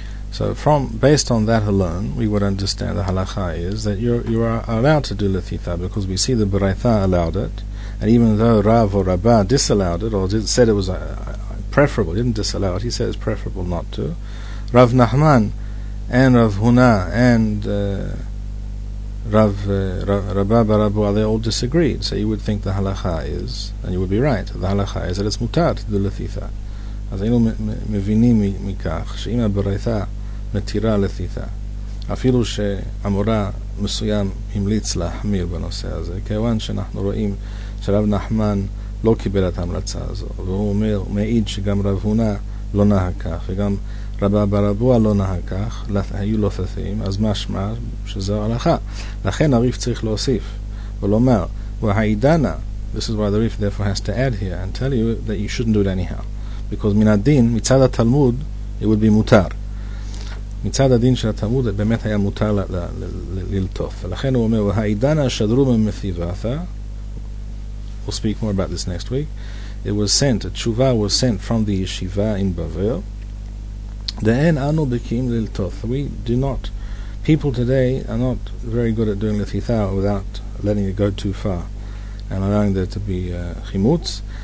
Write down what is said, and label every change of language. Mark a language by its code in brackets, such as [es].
[en] So from based on that alone, we would understand the halacha is that you are allowed to do lathitha, because we see the Baraitha allowed it, and even though Rav or Rabba disallowed it, or said it was preferable, didn't disallow it, he said it's preferable not to. Rav Nachman and Rav Huna and Rabba Barabu, they all disagreed. So you would think the halacha is, and you would be right, the halacha is that it's mutar to do lathitha. [he] אז היינו מבינים מכך שאם הברייתא מתירה לתיתה, אפילו שהמורה מסוים המליץ להחמיר בנושא הזה, כיוון שאנחנו רואים שרב נחמן לא קיבל את ההמלצה הזו, והוא אומר, מעיד שגם רב הונה לא נהג כך, וגם רבה ברבוע לא נהג כך, היו לו תתים, אז משמע שזו הלכה. לכן הריף צריך להוסיף ולומר, והעידנה, [en] this is why the riff therefore has to add here and tell you that you shouldn't do it anyhow. Because [he] מן הדין, מצד התלמוד, [en] it would be [he] מותר. מצד הדין של התלמוד, באמת היה מותר ללטוף. ולכן הוא אומר, והעידנה שדרו ממתיבתה, [en] we'll speak more about this next week, it was sent, התשובה was sent from the yeshiva in Bavel, [he] דהן אנו בקיים ללטוף. [en] We do not, people today are not very good at doing לתיתה without letting it go too far and allowing there to be חימוץ.